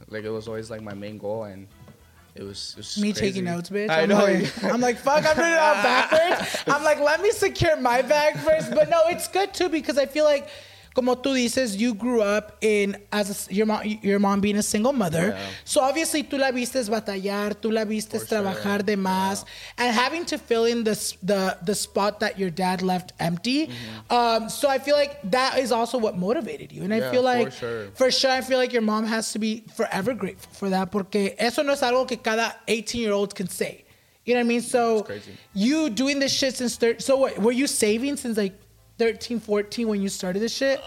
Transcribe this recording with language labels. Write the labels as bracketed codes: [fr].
[en] Like, it was always, like, my main goal. And It was me Taking notes, bitch. I know. I'm like, fuck, I'm putting it all backwards. I'm like, let me secure my bag first. But no, it's good too, because I feel like, [es] como tú dices, [en] you grew up as your mom being a single mother. Yeah. So obviously, [es] tú la viste batallar, tú la viste trabajar de más. [en] Yeah. And having to fill in the spot that your dad left empty. Mm-hmm. So I feel like that is also what motivated you. And yeah, I feel like, for sure, I feel like your mom has to be forever grateful for that. [es] Porque eso no es algo que cada [en] 18-year-old can say. You know what I mean? So you doing this shit since 30. So what, were you saving since like 13, 14 when you started this shit?